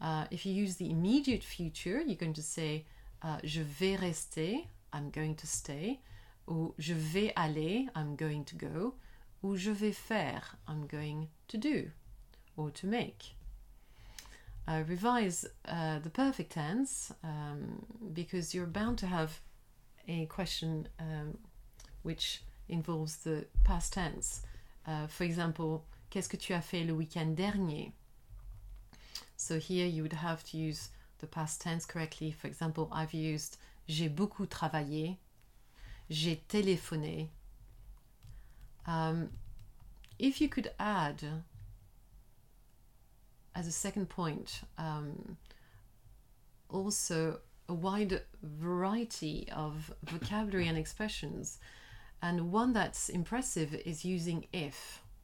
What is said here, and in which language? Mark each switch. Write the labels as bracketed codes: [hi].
[en] If you use the immediate future, you're going to say [fr] je vais rester, [en] I'm going to stay, [fr] ou je vais aller, [en] I'm going to go, [fr] ou je vais faire, [en] I'm going to do, or to make. Revise the perfect tense, because you're bound to have a question which involves the past tense. [fr] For example, qu'est-ce que tu as fait le week-end dernier? [en] So here you would have to use the past tense correctly. For example, I've used [fr] j'ai beaucoup travaillé, j'ai téléphoné. [en] If you could add, as a second point, also a wide variety of vocabulary and expressions, and one that's impressive is using if.